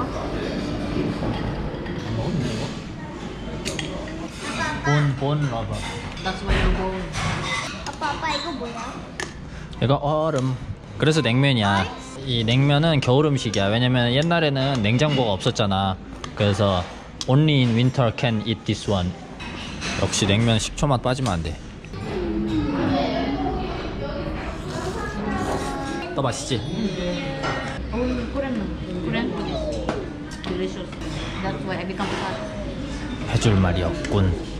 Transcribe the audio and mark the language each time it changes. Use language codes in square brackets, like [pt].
[ko] 안 먹었네 이거? 본, 본 라바. 나 좀 이거. 아빠, 아빠 이거 뭐야? 이거 얼음. 그래서 냉면이야. 이 냉면은 겨울 음식이야. 왜냐면 옛날에는 냉장고가 없었잖아. 그래서 [en] only in winter can eat this one. [ko] 역시 냉면 식초 맛 빠지면 안 돼. 또 맛있지? 해줄 말이 없군.